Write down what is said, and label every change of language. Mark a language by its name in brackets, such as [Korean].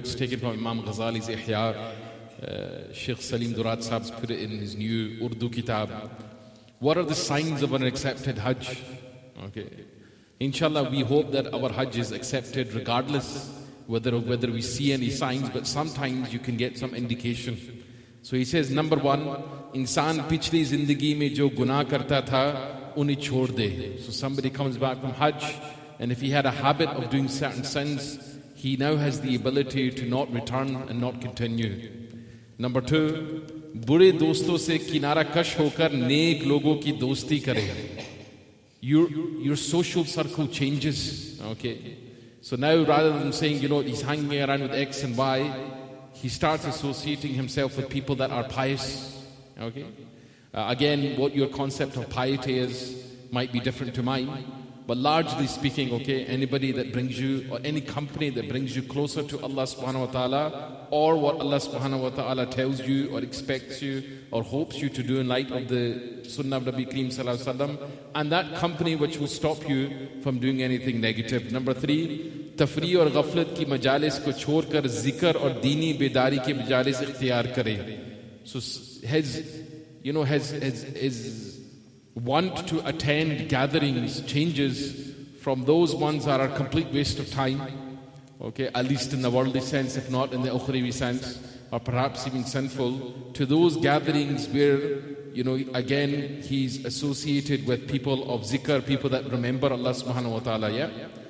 [English] It's taken from Imam Ghazali's Ihya. Sheikh Salim Durad Sahib's put it in his new Urdu Kitab. What are the signs of an accepted Hajj? Okay. Inshallah, we hope that our Hajj is accepted regardless whether we see any signs, but sometimes you can get some indication. So he says, number one, [Urdu] انسان پچھلی زندگی میں جو گناہ کرتا تھا، انہیں چھوڑ دے. [English] So somebody comes back from Hajj, and if he had a habit of doing certain sins, he now has the ability to not return and not continue. Number two, [Urdu] برے دوستوں سے کنارہ کش ہو کر نیک لوگوں کی دوستی کرے. [English] Your social circle changes. Okay. So now rather than saying, you know, he's hanging around with X and Y, he starts associating himself with people that are pious. Okay. Again, what your concept of piety is might be different to mine. But largely speaking, okay, anybody that brings you, or any company that brings you closer to Allah subhanahu wa ta'ala, or what Allah subhanahu wa ta'ala tells you or expects you or hopes you to do in light of the sunnah of Nabi Kareem sallallahu alaihi wasallam, and that company which will stop you from doing anything negative. Number three, [Urdu] تفریح اور غفلت کی مجالس کو چھوڑ کر ذکر اور دینی بیداری کی مجالس اختیار کرے. [English] So has want to attend gatherings changes from those ones that are a complete waste of time, okay, at least in the worldly sense, if not in the ukhrawi sense, or perhaps even sinful, to those gatherings where, you know, again, he's associated with people of zikr, people that remember Allah subhanahu wa ta'ala, yeah?